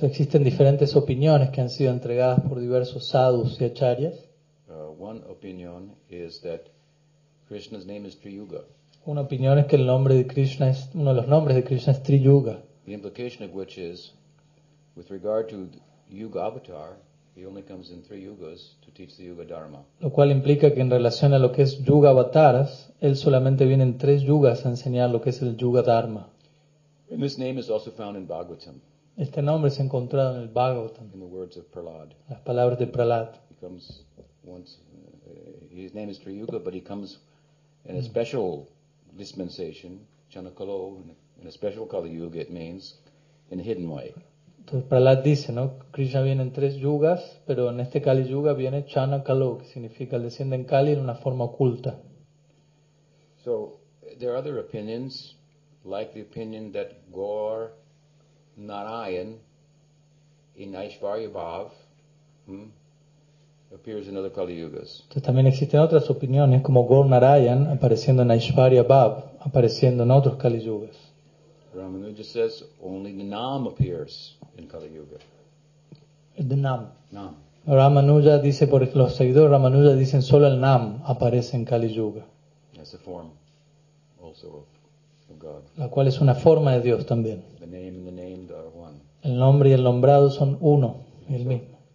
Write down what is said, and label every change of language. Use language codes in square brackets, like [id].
[es] So, existen diferentes opiniones que han sido entregadas por diversos sadhus y acharyas. [en] One opinion is that Krishna's name is Triyuga. [es] Una opinión es que el nombre de Krishna es uno de los nombres de Krishna es Triyuga. [en] The implication of which is, with regard to Yuga Avatar, he only comes in three yugas to teach the Yuga Dharma. [es] Lo cual implica que en relación a lo que es Yuga Avataras, él solamente viene en tres yugas a enseñar lo que es el Yuga Dharma. [en] And this name is also found in Bhagavatam. [es] Este nombre es encontrado en el Bhagavatam. [en] In the words of Prahlad. [es] Las palabras de Prahlad. [en] He comes once. His name is Triyuga, but he comes in a special dispensation, Chanakalo, in a special Kali Yuga. It means in a hidden way. [es] Entonces Prahlad dice, ¿no? Krishna viene en tres yugas, pero en este Kali Yuga viene Chanakalo, que significa desciende en Kali en una forma oculta. [en] So there are other opinions. Like the opinion that Gaur Narayan in Aishvarya Bhav appears in other Kali Yugas. [es] Entonces también existen otras opiniones como Gaur Narayan apareciendo en Aishvarya Bhav, apareciendo en otros Kali Yugas. [en] Ramanuja says only the Nam appears in Kali Yuga. The Nam. Nam. [es] Ramanuja dice, por los seguidores Ramanuja dicen solo el Nam aparece en Kali Yuga. [en] As a form also of God. [es] La cual es una forma de Dios también. [en] The name and the named are one. [es] El nombre y el nombrado son uno, el mismo.